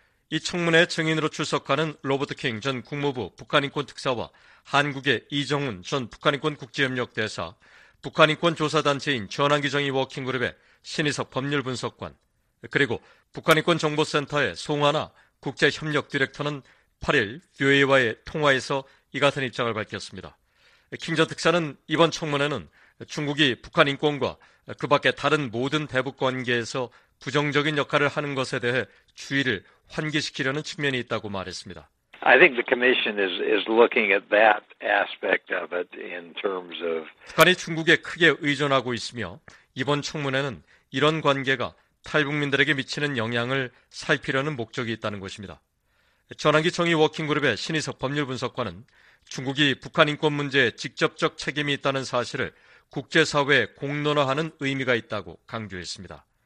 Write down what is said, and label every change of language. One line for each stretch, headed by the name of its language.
Korean: 이 청문회 증인으로 출석하는 로버트 킹 전 국무부 북한인권특사와 한국의 이정훈 전 북한인권국제협력대사, 북한인권조사단체인 전환기정의 워킹그룹의 신희석 법률분석관, 그리고 북한인권정보센터의 송하나 국제협력 디렉터는 8일 VOA와의 통화에서 이 같은 입장을 밝혔습니다. 킹 전 특사는 이번 청문회는 중국이 북한 인권과 그 밖에 다른 모든 대북 관계에서 부정적인 역할을 하는 것에 대해 주의를 환기시키려는 측면이 있다고 말했습니다.
English: I think the commission is looking at that aspect of it in terms of
Korean: 북한이 중국에 크게 의존하고 있으며 이번 청문회는 이런 관계가 탈북민들에게 미치는 영향을 살피려는 목적이 있다는 것입니다. 전환기 정의 워킹그룹의 신희석 법률분석관은 중국이 북한 인권 문제에 직접적 책임이 있다는 사실을 국제사회에 공론화하는 의미가 있다고 강조했습니다.